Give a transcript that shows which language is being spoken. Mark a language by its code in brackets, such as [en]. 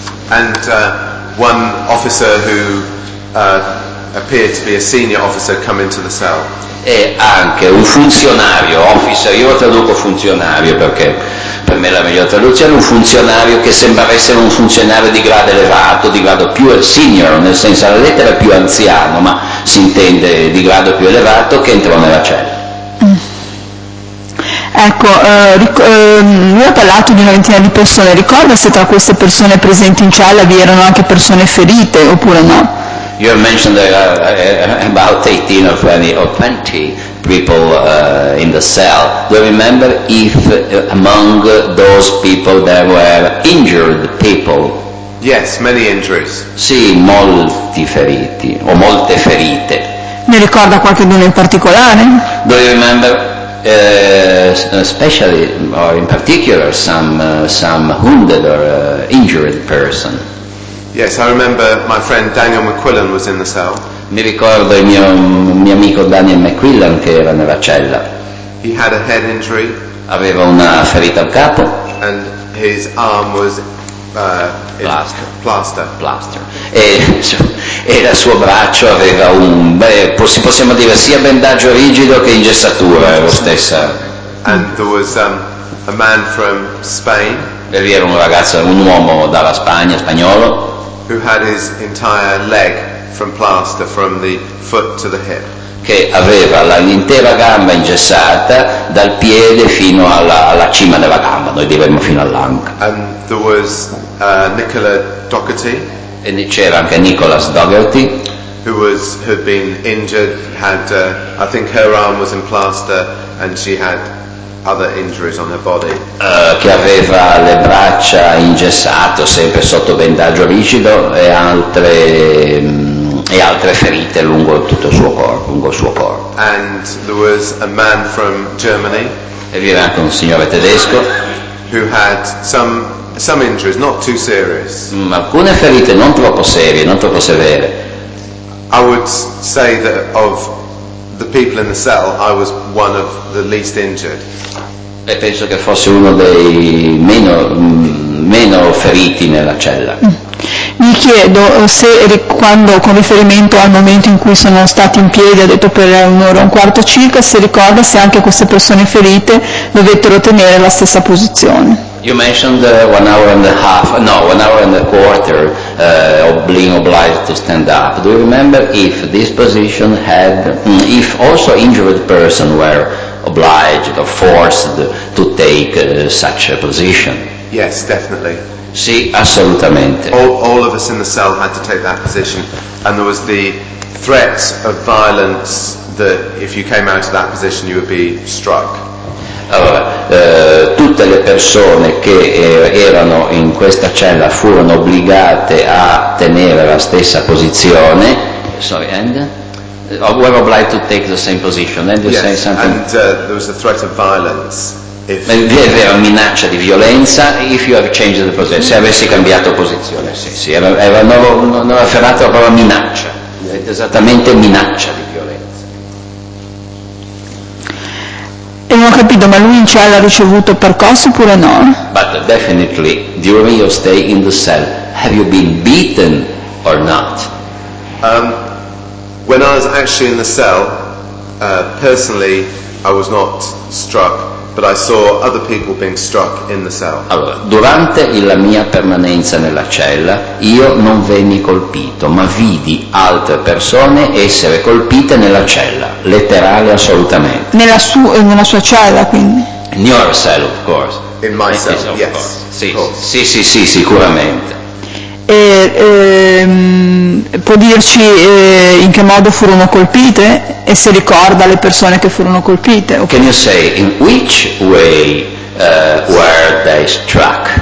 [en] And one officer who appeared to be a senior officer come into the cell. [it] E anche un funzionario, officer, io lo traduco funzionario perché per me la migliore traduzione, un funzionario che sembrava essere un funzionario di grado elevato, di grado più senior, nel senso alla lettera più anziano, ma si intende di grado più elevato, che entrò nella cella. Ecco, lui ha parlato di una ventina di persone, ricorda se tra queste persone presenti in cella vi erano anche persone ferite oppure no? [en] You have mentioned about 18 or 20 or 20 people in the cell. Do you remember if among those people there were injured people? Yes, many injuries. [it] Sì, molti feriti o molte ferite. Ne ricorda qualcuno in particolare? [en] Do you remember especially or in particular some wounded or injured person? Yes, I remember my friend Daniel McQuillan was in the cell. [it] Mi ricordo il mio amico Daniel McQuillan che era nella cella. [en] He had a head injury. [it] Aveva una ferita al capo. [en] And his arm was plaster. [it] E il suo braccio aveva possiamo dire sia bendaggio rigido che ingessatura, è lo stesso. [en] And there was a man from Spain. [it] E lì era un ragazzo, un uomo dalla Spagna, spagnolo. [en] Who had his entire leg from plaster from the foot to the hip. [it] Che aveva l'intera gamba ingessata dal piede fino alla cima della gamba, noi diremmo fino all'anca. [en] And there was Nicola Doherty. [it] E c'era anche Nicholas Doherty. [en] Who was had been injured, had I think her arm was in plaster and she had other injuries on her body. [it] Che aveva le braccia ingessate, sempre sotto bendaggio rigido, e altre ferite lungo tutto il suo corpo, lungo il suo corpo. [en] And there was a man from Germany. [it] E vi era anche un signore tedesco. [en] Who had some injuries, not too serious. [it] Alcune ferite non troppo serie, non troppo severe. [en] I would say that of the people in the cell, I was one of the least injured. [it] E penso che fossi uno dei meno feriti nella cella. Mi chiedo se quando, con riferimento al momento in cui sono stati in piedi, ha detto per un'ora e un quarto circa, si ricorda se anche queste persone ferite dovettero tenere la stessa posizione. [en] You mentioned one hour and a half, no, one hour and a quarter of being obliged to stand up. Do you remember if this position had, if also injured person were obliged or forced to take such a position? Yes, definitely. [it] Sì, assolutamente. [en] All of us in the cell had to take that position, and there was the threat of violence that if you came out of that position you would be struck. [it] Allora, tutte le persone che erano in questa cella furono obbligate a tenere la stessa posizione. [en] Sorry, and were obliged to take the same position. And you yes, say something? And there was a threat of violence. [it] Vi era minaccia di violenza [en] if you have changed the position. [it] Se avessi cambiato posizione, sì, era non afferrato la parola minaccia, esattamente minaccia di violenza. E non ho capito, ma lui in cella ha ricevuto percosse oppure no? [en] But definitely during your stay in the cell, have you been beaten or not? When I was actually in the cell, personally, I was not struck. But I saw other people being struck in the cell. [it] Allora, durante la mia permanenza nella cella, io non venni colpito, ma vidi altre persone essere colpite nella cella, letterale assolutamente. Nella sua cella, quindi. [en] In your cell, of course. In my cell, yes. [it] Sì, sicuramente. Può dirci in che modo furono colpite e se ricorda le persone che furono colpite? [en] Okay. Can you say in which way were they struck?